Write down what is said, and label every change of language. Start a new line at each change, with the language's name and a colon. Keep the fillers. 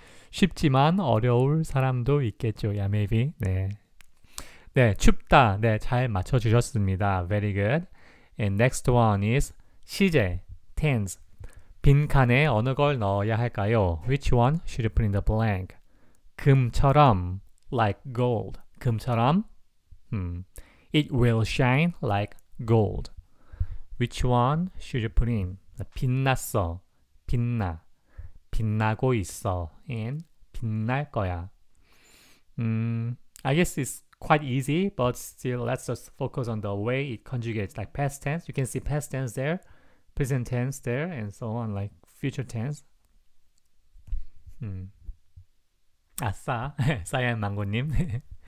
Korean: 쉽지만 어려울 사람도 있겠죠. 야메비. Yeah, 네. 네, 춥다. 네, 잘 맞춰 주셨습니다.
English: Very good. And next one is
Korean: 시제.
English: Tense.
Korean: 빈칸에 어느 걸 넣어야 할까요?
English: Which one should you put in the blank?
Korean: 금처럼
English: like gold.
Korean: 금처럼. 음.
English: It will shine like gold. Which one should y o p u in?
Korean: 빛났어, 빛나, 빛나고 있어, and 빛날 거야.
English: 음, I guess it's quite easy, but still let's just focus on the way it conjugates, like past tense. You can see past tense there, present tense there, and so on, like future tense.
Korean: 음. 아싸, 싸이 망고님.